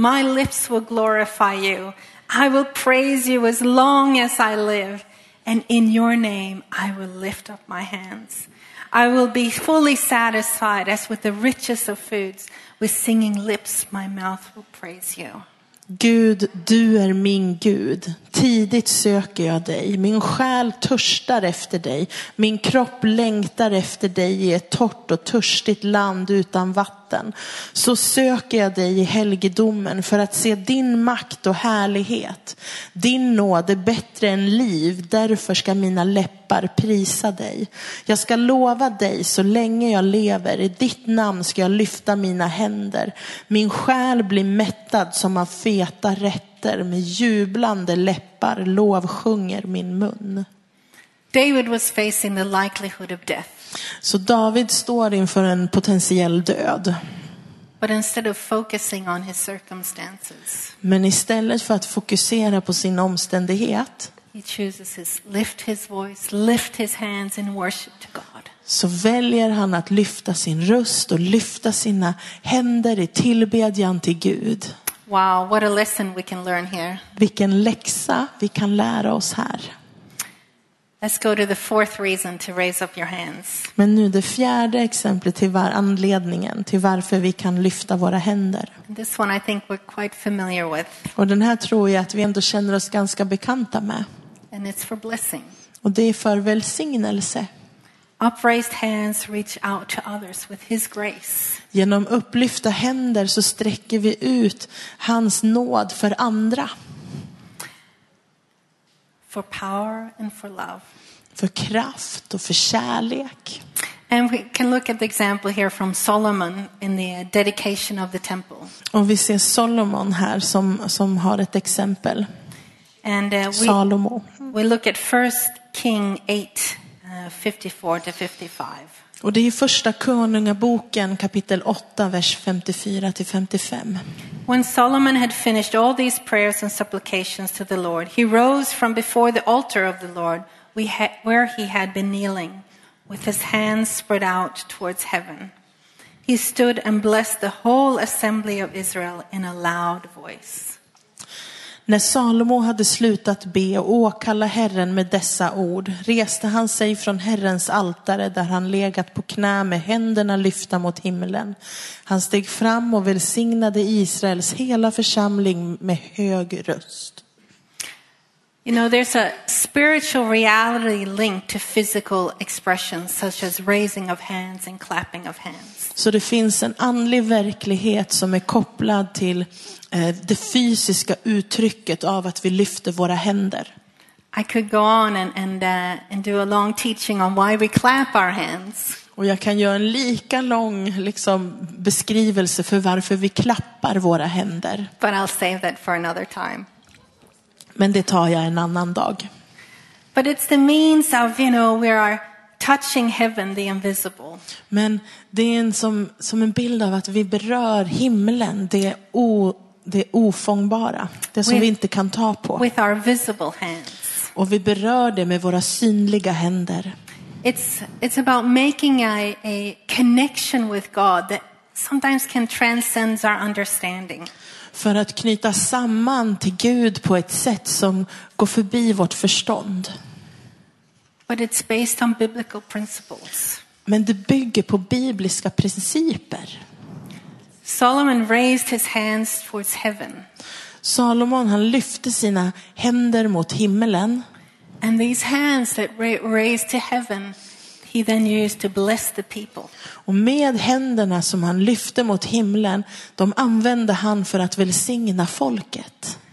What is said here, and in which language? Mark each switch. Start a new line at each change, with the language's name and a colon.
English: My lips will glorify you. I will praise you as long as I live, and in your name I will lift up my hands. I will be fully satisfied as with the richest of foods. With singing lips my mouth will praise you."
Swedish: Gud, du är min Gud. Tidigt söker jag dig. Min själ törstar efter dig. Min kropp längtar efter dig i ett torrt och törstigt land utan vatten. Så söker jag dig i helgedomen för att se din makt och härlighet. Din nåd är bättre än liv. Därför ska mina läppar prisa dig. Jag ska lova dig så länge jag lever. I ditt namn ska jag lyfta mina händer. Min själ blir mättad som av feta rätt. Med jublande läppar lovsjunger min mun.
English: David was facing the likelihood of death.
Swedish: Så David står inför en potentiell död.
English: But instead of focusing on his circumstances.
Swedish: Men istället för att fokusera på sin omständighet.
English: He chooses to lift his voice, lift his hands in worship to God.
Swedish: Så väljer han att lyfta sin röst och lyfta sina händer i tillbedjan till Gud.
English: Wow, what a lesson we can learn here.
Swedish: Vilken läxa vi kan lära oss här.
English: Let's go to the fourth reason to raise up your hands.
Swedish: Men nu det fjärde exemplet till anledningen till varför vi kan lyfta våra händer.
English: This one I think we're quite familiar with.
Swedish: Och den här tror jag att vi ändå känner oss ganska bekanta med.
English: And it's for blessing.
Swedish: Och det är för välsignelse.
English: Upraised hands reach out to others with his grace.
Swedish: Genom upplyfta händer så sträcker vi ut hans nåd för andra.
English: For power and for love.
Swedish: För kraft och för kärlek.
English: And we can look at the example here from Solomon in the dedication of the temple.
Swedish: Och vi ser Solomon här som har ett exempel.
English: And
Swedish: Salomo.
English: We look at 1 King 8:54-55.
Swedish: Och det är första Konungaboken kapitel 8 vers 54-55.
English: When Solomon had finished all these prayers and supplications to the Lord, he rose from before the altar of the Lord, where he had been kneeling, with his hands spread out towards heaven. He stood and blessed the whole assembly of Israel in a loud voice.
Swedish: När Salomo hade slutat be och åkalla Herren med dessa ord reste han sig från Herrens altare där han legat på knä med händerna lyfta mot himlen. Han steg fram och välsignade Israels hela församling med hög röst.
English: You know, there's a spiritual reality linked to physical expressions such as raising of hands and clapping of hands.
Swedish: Så det finns en andlig verklighet som är kopplad till det fysiska uttrycket av att vi lyfter våra händer.
English: I could go on and do a long teaching on why we clap our hands.
Swedish: Och jag kan göra en lika lång liksom beskrivelse för varför vi klappar våra händer.
English: But I'll save that for another time.
Swedish: Men det tar jag en annan dag.
English: But it's the means of, you know, we are touching heaven, the invisible.
Swedish: Men det är en som en bild av att vi berör himlen, det ofångbara, det som vi inte kan ta på.
English: With our visible hands.
Swedish: Och vi berör det med våra synliga händer.
English: It's about making a connection with God that sometimes can transcend our understanding.
Swedish: För att knyta samman till Gud på ett sätt som går förbi vårt förstånd.
English: But it's based on biblical principles.
Swedish: Men det bygger på bibliska principer.
English: Solomon raised his hands towards heaven.
Swedish: Salomon, han lyfte sina händer mot himmelen.
English: And these hands that raised to heaven, he then used to bless the people.
Swedish: Och med händerna som han lyfte mot himlen, de använde han för att välsigna folket.